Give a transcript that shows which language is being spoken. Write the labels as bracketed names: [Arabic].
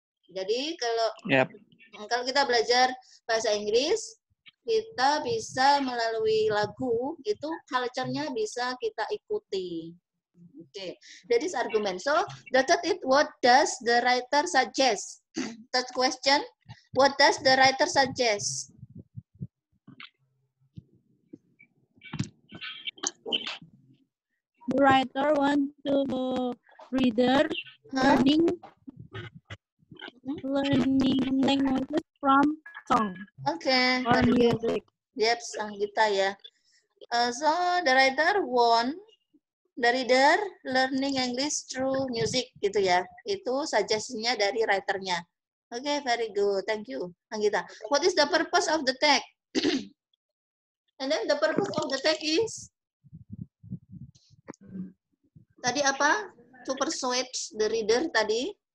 [Indonesian] Jadi kalau kita belajar bahasa Inggris, kita bisa melalui lagu, itu culture-nya bisa kita ikuti. [English] Oke, okay. That is argument. So, the third is, what does the writer suggest? Third question, what does the writer suggest? The writer want to reader learning. Learning language from song. Okay. Or music. Yep, [Indonesian] sang kita ya. [English] So the writer want the reader learning English through music, [Indonesian] gitu ya. Itu suggestionnya dari writernya. [English] Okay, very good. Thank you, [Indonesian] sang kita. [English] What is the purpose of the tag? And then the purpose of the tag is [Indonesian] tadi apa? [English] To persuade the reader [Indonesian] tadi.